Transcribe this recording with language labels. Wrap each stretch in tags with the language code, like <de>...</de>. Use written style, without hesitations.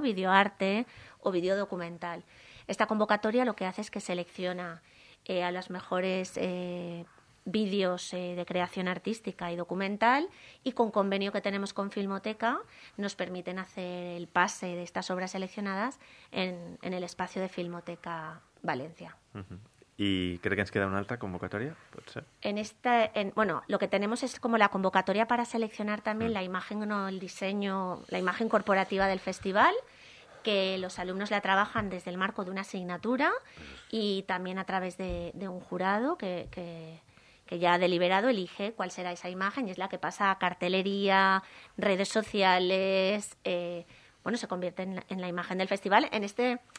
<es>Videoarte o videodocumental. Esta convocatoria lo que hace es que selecciona a los mejores vídeos de creación artística y documental y con convenio que tenemos con Filmoteca nos permiten hacer el pase de estas obras seleccionadas en el espacio de Filmoteca Valencia.</es> <ca>I crec que ens queda una altra convocatòria, pot ser?</ca> <es>En esta, en, bueno, lo que tenemos es como la convocatoria para seleccionar también la imagen o no, el diseño, la imagen corporativa del festival, que los alumnos la trabajan desde el marco de una asignatura y también a través de un jurado que ya ha deliberado, elige cuál será esa imagen y es la que pasa a cartelería, redes sociales, bueno, se convierte en la imagen del festival en este...</es>